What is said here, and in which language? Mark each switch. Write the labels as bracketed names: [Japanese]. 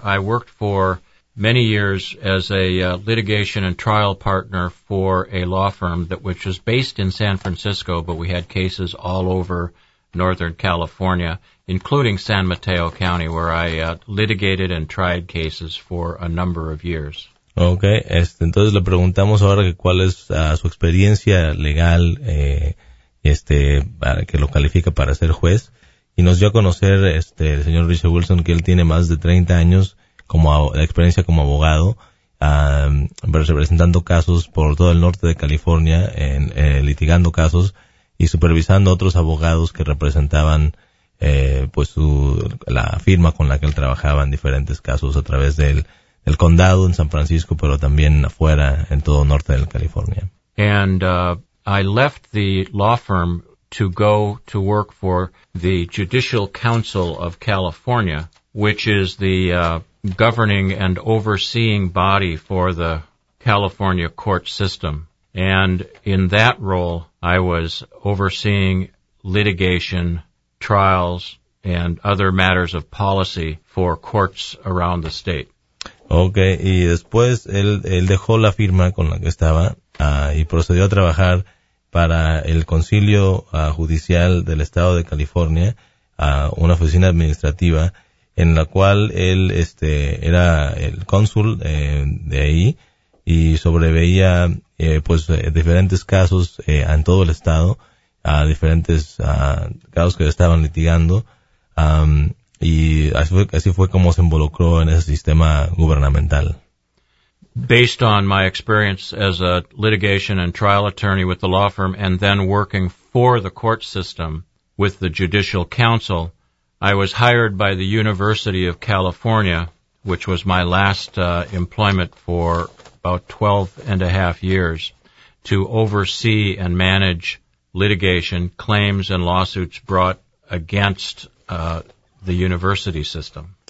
[English] I worked for many years as a litigation and trial partner for a law firm which was based in San Francisco, but we had cases all over Northern California, including San Mateo County, where I litigated and tried cases for a number of years. [Spanish] Okay, entonces le preguntamos ahora que cuál es su experiencia legal, que lo califica para ser juez, y nos dio a conocer el señor Richard Wilson que él tiene más de 30 años de experiencia como abogado, pero se presentando casos por todo el norte de California, litigando casos y supervisando otros abogados que representaban pues la firma con la que él trabajaba en diferentes casos a través del condado en San Francisco, pero también afuera en todo el norte de California. [English] And I left the law firm to go to work for the Judicial Council of California, which is the governing and overseeing body for the California court system. And in that role, I was overseeing litigation, trials, and other matters of policy for courts around the state. [Spanish] Okay, y después él dejó la firma con la que estaba y procedió a trabajar para el Concilio Judicial del Estado de California, una oficina administrativa en la cual él era el cónsul de ahí y sobreveía diferentes casos en todo el estado, diferentes casos que estaban litigando, y así fue como se involucró en ese sistema gubernamental. [English] Based on my experience as a litigation and trial attorney with the law firm and then working for the court system with the Judicial Council, I was hired by the University of California, which was my last employment for about 12 and a half years, to oversee and manage litigation, claims, and lawsuits brought against the university system.